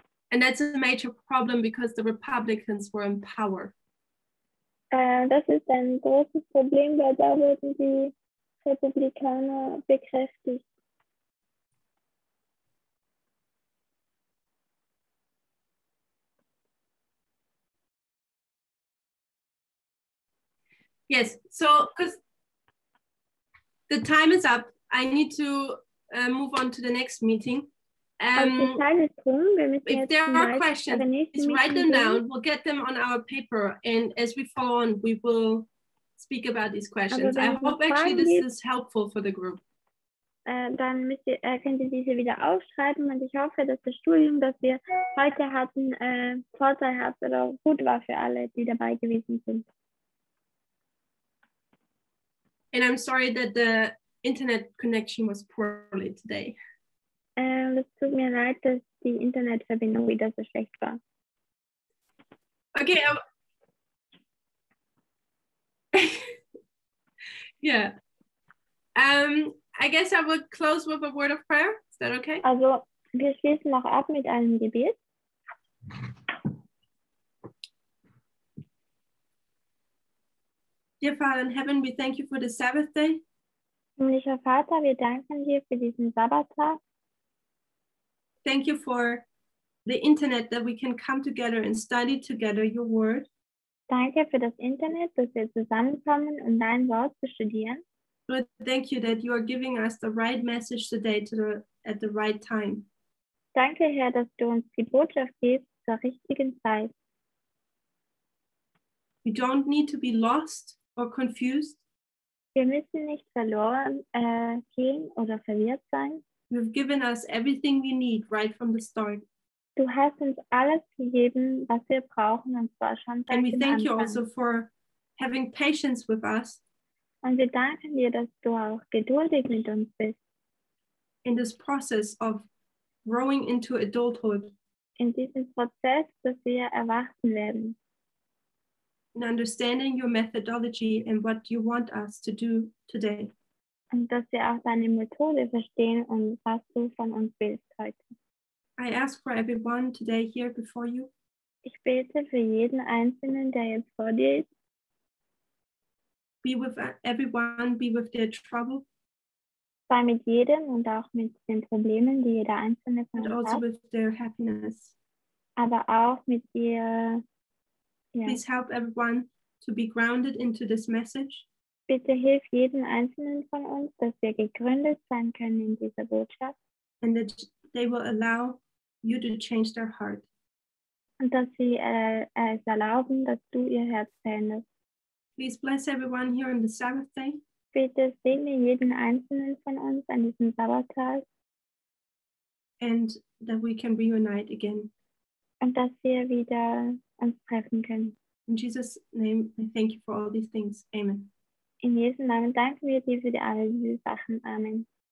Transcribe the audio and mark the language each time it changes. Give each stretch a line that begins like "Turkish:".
English: And that's a major problem because the Republicans were in power.
German: Das ist ein großes Problem, weil da wurden die Republikaner bekräftigt.
English: Yes, so because the time is up, I need to move on to the next meeting. If there are questions, just write them down. We'll get them on our paper. And as we follow on, we will speak about these questions. I hope actually this is helpful for the group.
German: Dann könnt ihr diese wieder aufschreiben und ich hoffe, dass das Studium, das wir heute hatten, Vorteil hat oder gut war für alle, die dabei gewesen sind.
English: And I'm sorry that the internet connection was poorly today.
German: Es tut mir leid, dass die Internetverbindung wieder so schlecht war. Okay. yeah.
English: I guess I will close with a word of prayer. Is that okay?
German: Also, wir schließen noch ab mit einem Gebet.
English: Dear Father in heaven, we thank you for the Sabbath day.
German: Himmlischer Vater, wir danken dir für diesen Sabbattag.
English: Thank you for the internet that we can come together and study together your word.
German: Danke für das Internet, dass wir zusammenkommen, um dein Wort zu studieren.
English: Lord, thank you that you are giving us the right message today at the right time.
German: Danke, Herr, dass du uns die Botschaft gibst zur richtigen Zeit.
English: We don't need to be lost or confused.
German: Wir müssen nicht verloren gehen oder verwirrt sein.
English: You've given us everything we need right from the start.
German: Du hast uns alles gegeben, was wir brauchen, und zwar schon seit dem Anfang.
English: And we thank you also for having patience with us.
German: Und wir danken dir, dass du auch geduldig mit uns bist.
English: In this process of growing into adulthood.
German: In diesem Prozess, dass wir erwachsen werden.
English: And understanding your methodology and what you want us to do today.
German: Und dass wir auch deine Methode verstehen und was du von uns willst heute.
English: I ask for everyone today here before you.
German: Ich bete für jeden Einzelnen, der jetzt vor dir ist.
English: Be with everyone, be with their trouble.
German: Sei mit jedem und auch mit den Problemen, die jeder Einzelne von uns hat.
English: And also with their happiness.
German: Aber auch mit ihr. Yeah.
English: Please help everyone to be grounded into this message.
German: Bitte hilf jedem Einzelnen von uns, dass wir gegründet sein können in dieser Botschaft.
English: And that they will allow you to change their heart.
German: Und dass sie es erlauben, dass du ihr Herz veränderst.
English: Please bless everyone here on the Sabbath day.
German: Bitte segne jeden Einzelnen von uns an diesem Sabbattag.
English: And that we can reunite again.
German: Und dass wir wieder uns treffen können.
English: In Jesus' name, I thank you for all these things. Amen.
German: In Jesu Namen danken wir dir für alle diese Sachen. Amen.